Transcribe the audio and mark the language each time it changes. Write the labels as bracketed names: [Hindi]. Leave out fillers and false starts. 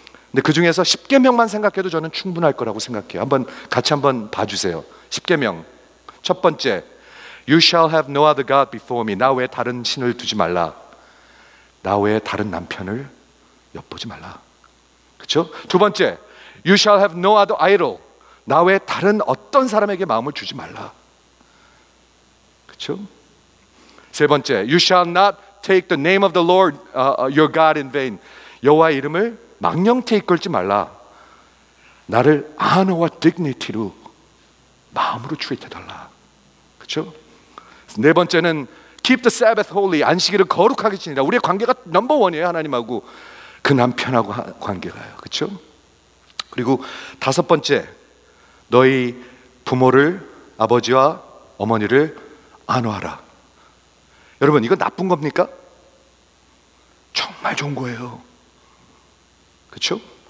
[Korean] 근데 그 중에서 십계명만 생각해도 저는 충분할 거라고 생각해요. 한번 봐주세요. 십계명 첫 번째, [English] You shall have no other God before me. [Korean] 나 외에 다른 신을 두지 말라. 나 외에 다른 남편을 엿보지 말라. 그렇죠? 두 번째, [English] You shall have no other idol. [Korean] 나 외에 다른 어떤 사람에게 마음을 주지 말라. 그렇죠? 세 번째, [English] You shall not take the name of the Lord your God in vain. [Korean] 여호와의 이름을 망령되이 걸지 말라. 나를 honor와 dignity로 마음으로 treat해달라. 그렇죠? 네 번째는 [English] Keep the Sabbath holy. [Korean] 안식일을 거룩하게 지니라. 우리의 관계가 넘버원이에요, 하나님하고. 그 남편하고 관계가요. 그렇죠? 그리고 다섯 번째, 너희 부모를, 아버지와 어머니를 안호하라. 여러분 이거 나쁜 겁니까? 정말 좋은 거예요. 그렇죠?